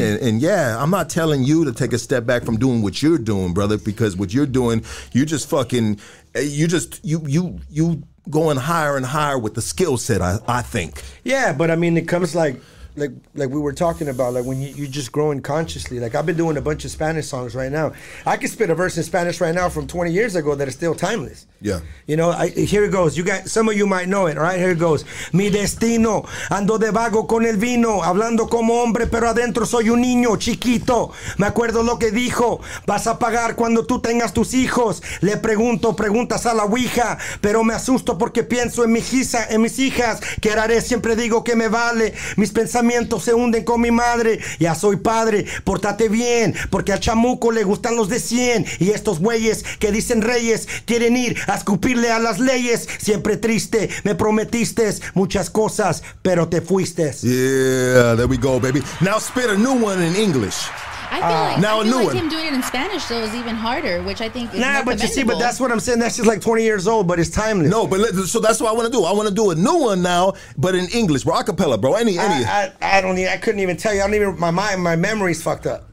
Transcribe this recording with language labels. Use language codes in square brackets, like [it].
[en] And I'm not telling you to take a step back from doing what you're doing, brother, because what you're doing, you're just going higher and higher with the skill set, I think. Yeah, but I mean, it comes like we were talking about, like when you're just growing consciously. Like, I've been doing a bunch of Spanish songs right now. I could spit a verse in Spanish right now from 20 years ago that is still timeless. Yeah. You know, here it goes. Some of you might know it, right? Here it goes. [es] Mi destino, ando de vago con el vino, hablando como hombre, pero adentro soy un niño chiquito. Me acuerdo lo que dijo, vas a pagar cuando tú tengas tus hijos. Le pregunto preguntas a la ouija, pero me asusto porque pienso en mis hijas. ¿Qué haré? Siempre digo que me vale. Mis pensamientos se hunden con mi madre. Ya soy padre, pórtate bien, porque al chamuco le gustan los de 100. Y estos güeyes que dicen reyes quieren ir a escupirle a las leyes. Siempre triste, me prometiste muchas cosas, pero te fuiste. [en] Yeah, there we go, baby. Now spit a new one in English. I feel like him doing it in Spanish, though, is even harder, which I think is more commendable. But that's what I'm saying. That's just like 20 years old, but it's timeless. No, but so that's what I want to do. I want to do a new one now, but in English, bro. Acapella, bro. I couldn't even tell you. My memory's fucked up.